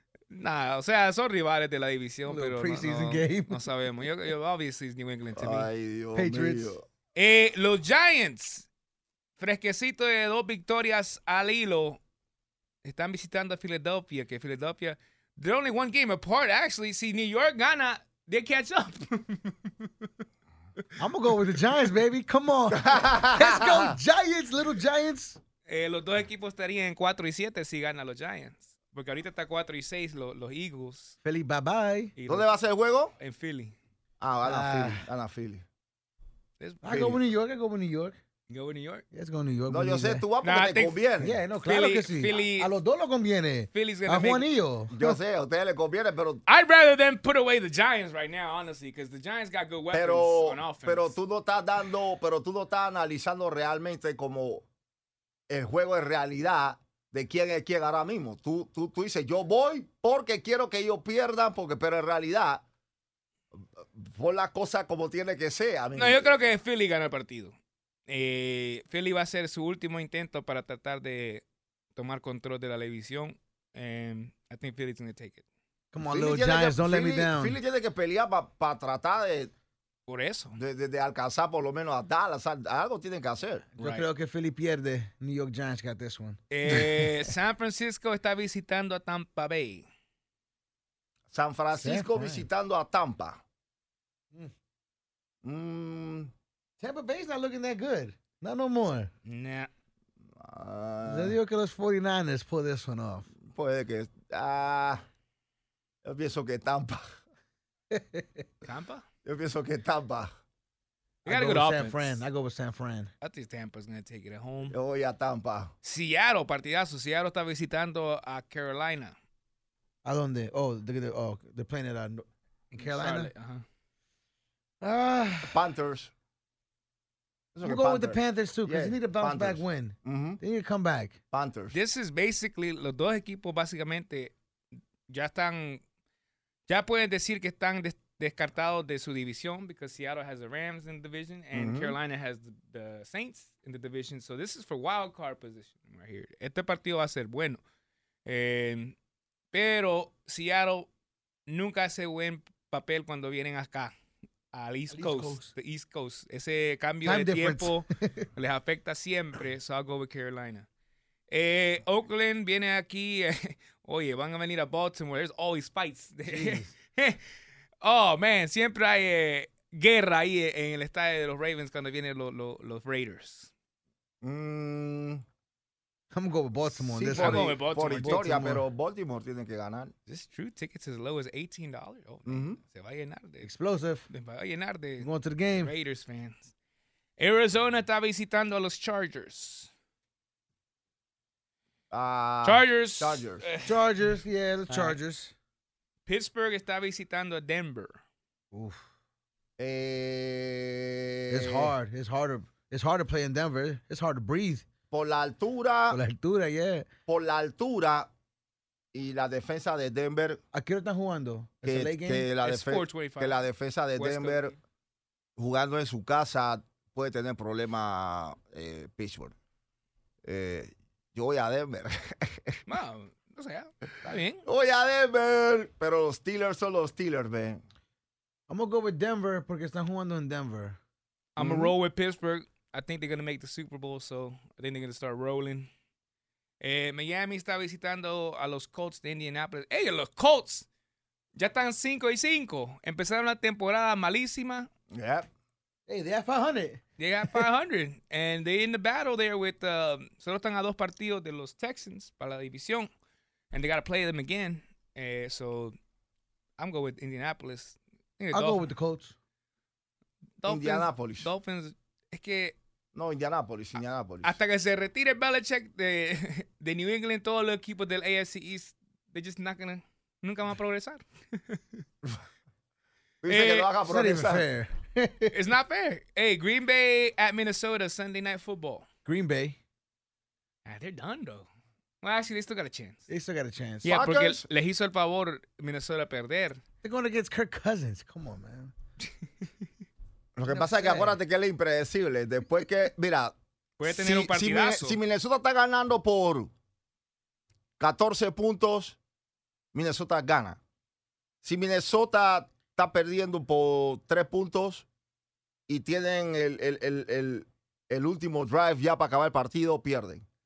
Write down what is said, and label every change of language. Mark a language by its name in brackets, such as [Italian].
[Spanish] Nada, o sea, son rivales de la división, pero [English] game. [Spanish] No sabemos. [English] Yo, obviously, it's New England to me. [Spanish] Ay, Dios [English] Patriots. [Spanish] Mío. Los Giants, fresquecito de dos victorias al hilo, están visitando a Philadelphia, que Philadelphia, [English] they're only one game apart, actually. [Spanish] Si New York gana, [English] they catch up. I'm going to go with the Giants, baby. Come on. Let's go, Giants, little Giants. [Spanish] Los dos equipos estarían en 4-7 si ganan los Giants. Porque ahorita está 4-6 los Eagles. [English] Philly, bye-bye. [Spanish] ¿Dónde va a ser el juego? En Philly. Ah, gana Philly. [English] I go with New York. Go to New York? Let's go to New York. [Spanish] No, yo sé, tú vas porque te conviene. [English] Yeah, no, [Spanish] claro Philly, que sí. Philly, a los dos lo conviene. [English] Philly's gonna [Spanish] a Juanillo. Yo sé, a ustedes les conviene, pero... [English] I'd rather them put away the Giants right now, honestly, because the Giants got good weapons on offense. [Spanish] Pero tú no estás dando, pero tú no estás analizando realmente como el juego en realidad de quién es quién ahora mismo. Tú dices, yo voy porque quiero que ellos pierdan, porque, pero en realidad, por la cosa como tiene que ser. A mí, no, yo creo que Philly gana el partido. Philly va a ser su último intento para tratar de tomar control de la división. [English] I think Philly's gonna take it. Come on, little Giants, don't let me down. [Spanish] Philly tiene que pelear para tratar de por eso de alcanzar por lo menos a Dallas. Algo tienen que hacer. Yo [English] right. [Spanish] creo que Philly pierde. [English] New York Giants got this one. [Spanish] San Francisco está visitando a Tampa Bay. San Francisco visitando a Tampa. [English] Tampa Bay's not looking that good. Not no more. Nah. [Spanish] Yo digo que los 49ers [English] pull this one off. [Spanish] Puede que. Yo pienso que Tampa. Tampa? Yo pienso que Tampa. [English] You got a good offense. San Fran. I go with San Fran. I think Tampa's going to take it at home. [Spanish] Yo voy a Tampa. Seattle, partidazo. Seattle está visitando a Carolina. ¿A dónde? [English] Oh, they're playing it in Carolina? Uh-huh. Panthers. We'll go with the Panthers, too, because you need a bounce Panthers. Back win. Mm-hmm. They need to come back. Panthers. This is basically, [Spanish] los dos equipos, básicamente, ya están, ya pueden decir que están descartados de su división, [English] because Seattle has the Rams in the division, and mm-hmm. [Spanish] Carolina has the Saints [English] in the division. So this is for wild card position right here. [Spanish] Este partido va a ser bueno. Pero Seattle nunca hace buen papel cuando vienen acá. Al East Coast. Ese cambio [English] Time [Spanish] de [English] difference. [Spanish] Tiempo les afecta siempre. [English] So I'll go with Carolina. [Spanish] Oakland viene aquí. Oye, van a venir a Baltimore. [English] There's always fights. Oh, man. [Spanish] Siempre hay guerra ahí en el estadio de los Ravens cuando vienen los Raiders. [English] I'm going to go with Baltimore. [Spanish] Sí, [English] this I'm going with Baltimore. [Spanish] Por historia, pero Baltimore tiene que ganar. [English] Is this true? Tickets as low as $18? Oh, mm-hmm. [Spanish] Se va a llenar de... [English] Explosive. [Spanish] Se va a llenar de... [English] Going to the game. Raiders fans. [Spanish] Arizona está visitando a los Chargers. [English] Chargers. Chargers. Chargers, yeah, the Chargers. [Spanish] Pittsburgh está visitando a Denver. [English] Oof. It's hard. It's hard to play in Denver. It's hard to breathe. [Spanish] Por la altura, [English] yeah. [Spanish] Por la altura y la defensa de Denver. ¿A qué hora están jugando? Que la defensa de Denver, jugando en su casa, puede tener problemas Pittsburgh. Yo voy a Denver. Bueno, o sea, está bien. Voy a Denver. Pero los Steelers son los Steelers, [English] man. I'm going to go with Denver [Spanish] porque están jugando en Denver. [English] I'm going to roll with Pittsburgh. I think they're going to make the Super Bowl, so I think they're going to start rolling. [Spanish] Miami está visitando a los Colts de Indianapolis. ¡Ey, los Colts! Ya están 5-5. Empezaron la temporada malísima. [English] Yeah. Hey, they got 500. They got 500. And they're in the battle there with... [Spanish] solo están a dos partidos de los Texans para la división. [English] And they got to play them again. So I'm going with Indianapolis. I'll go with the Colts. Indianapolis. Dolphins... [Spanish] Es que... No, Indianapolis. Hasta que se retire Belichick de New England, todos los equipos del AFC East, [English] they're just not gonna... [Spanish] Nunca van a progresar. Dice que no haga progresar. [English] It's not fair. Hey, Green Bay at Minnesota, Sunday Night Football. Green Bay. They're done, though. Well, actually, they still got a chance. They still got a chance. Yeah, Packers. [Spanish] Porque les hizo el favor Minnesota perder. [English] They're going against Kirk Cousins. Come on, man. [Spanish] Lo que pasa es que acuérdate que él es impredecible. Después que, mira, puede tener un partidazo. Si Minnesota está ganando por 14 puntos, Minnesota gana. Si Minnesota está perdiendo por 3 puntos y tienen el último drive ya para acabar el partido, pierden.